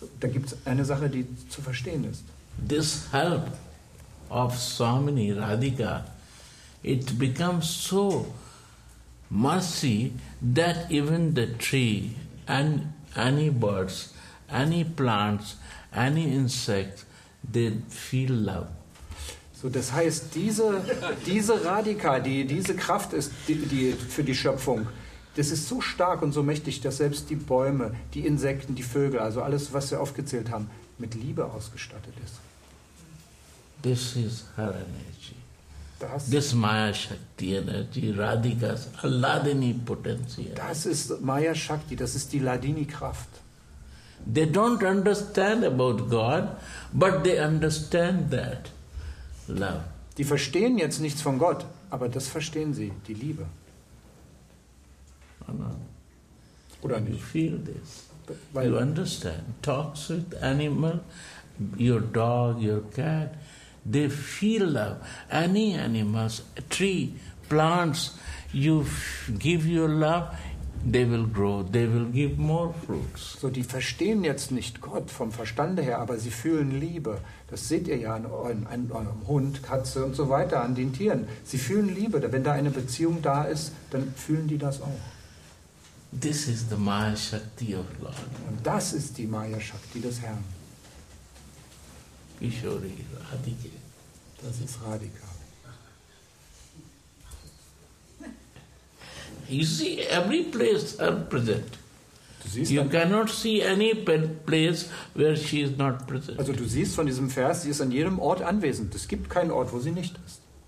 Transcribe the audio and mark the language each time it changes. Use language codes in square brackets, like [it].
[de] Da gibt's eine Sache, die zu verstehen ist. [en] This help of Swamini Radhika, it becomes so mercy that even the tree and any birds, any plants, any insects, they feel love. [de] So, das heißt, diese Radhika, die diese Kraft ist, die für die Schöpfung. Das ist so stark und so mächtig, dass selbst die Bäume, die Insekten, die Vögel, also alles, was wir aufgezählt haben, mit Liebe ausgestattet ist. [en] This is her energy. This Maya Shakti energy, Radhika's Ladini potential. [de] Das ist Maya Shakti, das ist die Ladini-Kraft. [en] They don't understand about God, but they understand that love. [de] Die verstehen jetzt nichts von Gott, aber das verstehen sie, die Liebe. Oder nicht? [en] You feel this. You understand. Talks with animal, your dog, your cat, they feel love. Any animals, tree, plants, you give your love, they will grow, they will give more fruits. [de] So, die verstehen jetzt nicht Gott vom Verstande her, aber sie fühlen Liebe. Das seht ihr ja an eurem Hund, Katze und so weiter, an den Tieren. Sie fühlen Liebe. Wenn da eine Beziehung da ist, dann fühlen die das auch. [en] This is the Maya Shakti of Lord. [de] Und das ist die Maya Shakti des Herrn. [sa] Kishori Radhike. [de] Das ist Radhika. [en] You see, every place are present. [de] Du siehst, [en] you cannot see any place where she is not present. [de] Also du siehst von diesem Vers, sie ist an jedem Ort anwesend. Es gibt keinen Ort, wo sie nicht ist.